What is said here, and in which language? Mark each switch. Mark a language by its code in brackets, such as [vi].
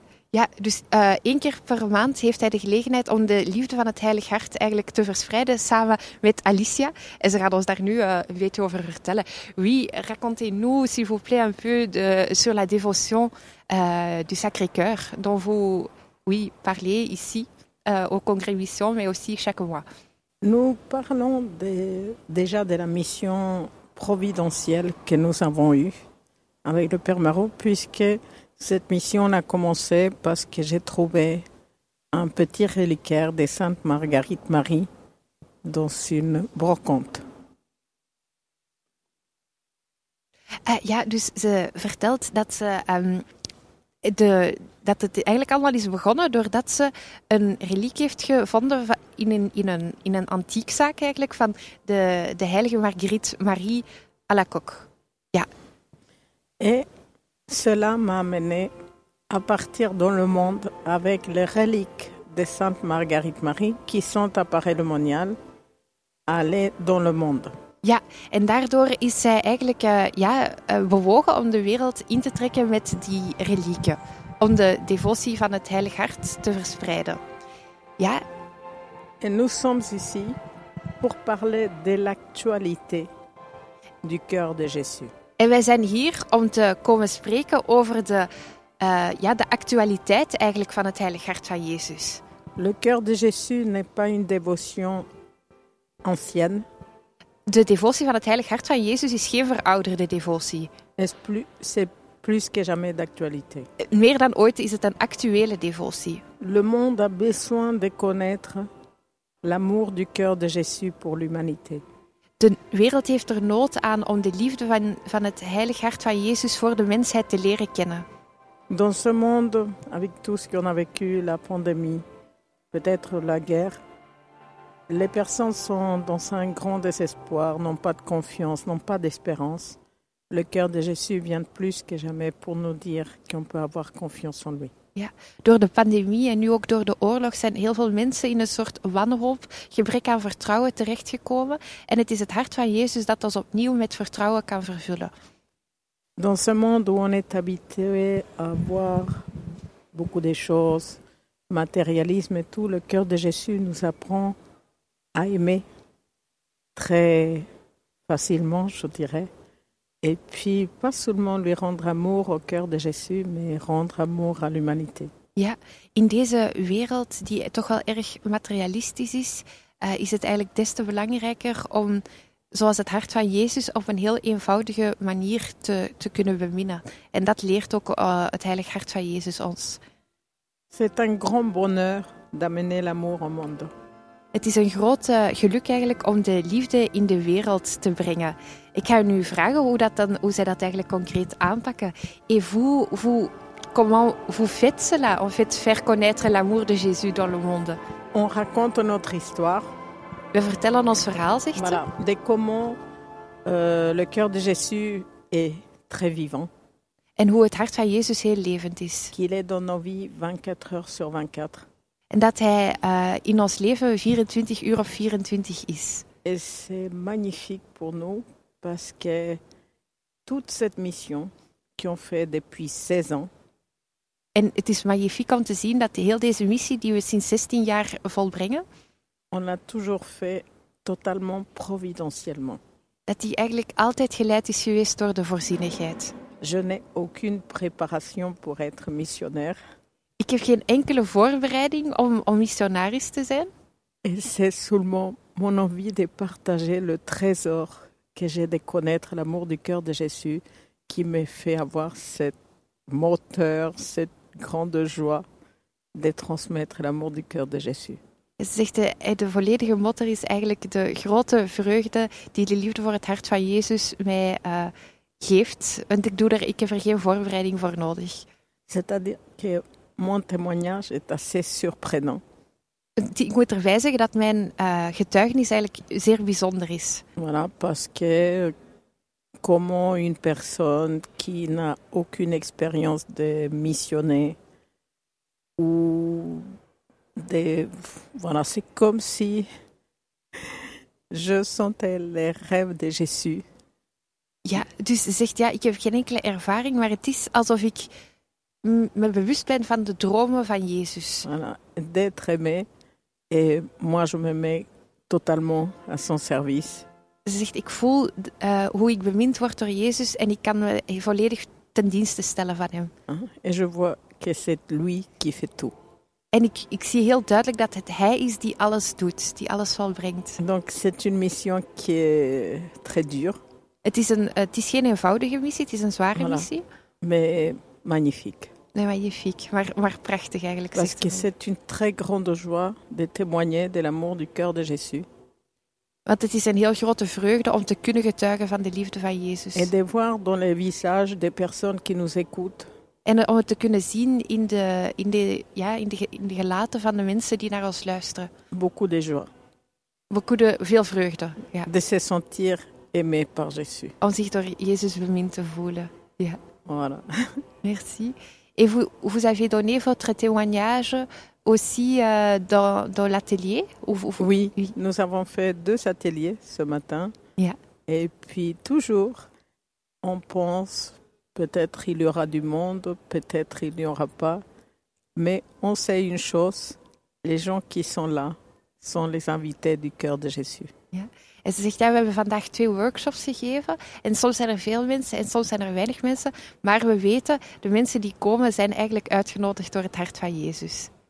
[nl] Ja, dus één keer per maand heeft hij de gelegenheid om de liefde van het Heilig Hart eigenlijk te verspreiden samen met Alicia. En ze gaat ons daar nu een beetje over vertellen. [fr] Oui, racontez-nous, s'il vous plaît, un peu sur la dévotion du Sacré-Cœur dont vous parliez ici. Au congrès mission, mais aussi chaque mois. Nous parlons déjà de la mission providentielle que nous avons eue avec le Père Marot, puisque cette mission a commencé parce que j'ai trouvé un petit reliquaire de Sainte Marguerite Marie dans une brocante. [nl] Dus ze vertelt dat ze dat het eigenlijk allemaal is begonnen doordat ze een reliek heeft gevonden in een antiekzaak eigenlijk van de heilige Marguerite Marie à la coque. Ja. [fr] Et cela m'a amené à partir dans le monde avec les reliques de Sainte Marguerite Marie qui sont à Paray-le-Monial, aller dans le monde. [nl] Ja, en daardoor is zij eigenlijk bewogen om de wereld in te trekken met die relieken. Om de devotie van het Heilig Hart te verspreiden. Ja. [fr] En nous sommes ici pour parler de l'actualité du cœur de Jésus. [nl] En wij zijn hier om te komen spreken over de actualiteit eigenlijk van het Heilig Hart van Jezus. [fr] Le cœur de Jésus n'est pas une dévotion ancienne. [nl] De devotie van het Heilig Hart van Jezus is geen verouderde devotie. [fr] C'est plus que jamais d'actualité. [nl] Meer dan ooit is het een actuele devotie. [fr] Le monde a besoin de connaître l'amour du cœur de Jésus pour l'humanité. [nl] De wereld heeft er nood aan om de liefde van het Heilig Hart van Jezus voor de mensheid te leren kennen. [fr] Dans ce monde, avec tout ce qu'on a vécu, la pandémie, peut-être la guerre, les personnes sont dans un grand désespoir, n'ont pas de confiance, n'ont pas d'espérance. Le cœur de Jésus vient plus que jamais pour nous dire qu'on peut avoir confiance en lui. [nl] Ja, door de pandemie en nu ook door de oorlog zijn heel veel mensen in een soort wanhoop, gebrek aan vertrouwen terechtgekomen. En het is het hart van Jezus dat ons opnieuw met vertrouwen kan vervullen. [fr] Dans ce monde où on est habitué à voir beaucoup de choses, matérialisme et tout, le cœur de Jésus nous apprend à aimer très facilement, je dirais. Et puis, pas seulement lui rendre amour au cœur de Jésus, mais rendre amour à l'humanité. [nl] Ja, in deze wereld die toch wel erg materialistisch is, is het eigenlijk des te belangrijker om, zoals het hart van Jezus, op een heel eenvoudige manier te kunnen beminnen. En dat leert ook het Heilig Hart van Jezus ons. [fr] C'est un grand bonheur d'amener l'amour au monde. [nl] Het is een groot geluk eigenlijk om de liefde in de wereld te brengen. Ik ga u nu vragen hoe zij dat eigenlijk concreet aanpakken. [fr] Et comment faites cela, en fait, faire connaître l'amour de Jésus dans le monde? On raconte notre histoire. [nl] We vertellen ons verhaal, zegt [fr] voilà. De comment le cœur de Jésus est très vivant. [nl] En hoe het hart van Jezus heel levend is. [fr] Qu'il est dans nos vies 24 heures sur 24. [nl] En dat hij in ons leven 24 uur op 24 is. [fr] Et c'est magnifique pour nous parce que toute cette mission qu'on fait depuis 16 ans. [nl] En het is magnifiek om te zien dat heel deze missie die we sinds 16 jaar volbrengen, [fr] on l'a toujours fait totalement providentiellement. [nl] Dat die eigenlijk altijd geleid is geweest door de voorzienigheid. [fr] Je n'ai aucune préparation pour être missionnaire. [nl] Ik heb geen enkele voorbereiding om missionaris te zijn. [fr] Et c'est seulement mon envie de partager le trésor que j'ai de connaître l'amour du cœur de Jésus qui me fait avoir cette moteur, cette grande joie de transmettre l'amour du cœur de Jésus. [nl] Zegt de volledige motor is eigenlijk de grote vreugde die de liefde voor het hart van Jezus mij geeft. Want ik heb er geen voorbereiding voor nodig. [fr] C'est-à-dire que mon témoignage est assez surprenant. [nl] Ik moet erbij zeggen dat mijn getuigenis eigenlijk zeer bijzonder is. [fr] Voilà, parce que comment une personne qui n'a aucune expérience de missionner ou de voilà, c'est comme si je sentais les rêves de Jésus. [nl] Ja, dus zegt ja, ik heb geen enkele ervaring, maar het is alsof ik me bewust ben van de dromen van Jezus. [fr] Voilà. D'être aimé. Et moi, je me mets totalement à son service. [nl] Ze zegt, ik voel hoe ik bemind word door Jezus en ik kan me volledig ten dienste stellen van hem. [fr] Et je vois que c'est lui qui fait tout. [nl] En ik zie heel duidelijk dat het hij is die alles doet, die alles volbrengt. [fr] Donc, c'est une mission qui est très dure. [nl] Het is geen eenvoudige missie, het is een zware [fr] voilà. [nl] Missie. [fr] Mais magnifique. [nl] Nee, magnifiek, maar prachtig eigenlijk. [fr] Parce que c'est une très grande joie de témoigner de l'amour du cœur de Jésus. [nl] Want het is een heel grote vreugde om te kunnen getuigen van de liefde van Jezus. [fr] Et de voir dans les visages des personnes qui nous écoutent. [nl] En om het te kunnen zien in de gelaten van de mensen die naar ons luisteren. [fr] Beaucoup de joie. Beaucoup de [nl] veel vreugde. Ja. [fr] De se sentir aimé par Jésus. [nl] Om zich door Jezus bemind te voelen. Ja. [fr] Voilà. Merci. Et vous avez donné votre témoignage aussi dans l'atelier ou Oui, nous avons fait deux ateliers ce matin. Yeah. Et puis toujours, on pense, peut-être il y aura du monde, peut-être il n'y aura pas. Mais on sait une chose, les gens qui sont là sont les invités du cœur de Jésus. Yeah. [nl] En ze zegt, ja, we hebben vandaag twee workshops gegeven. En soms zijn er veel mensen en soms zijn er weinig mensen. Maar we weten, de mensen die komen, zijn eigenlijk uitgenodigd door het hart van Jezus.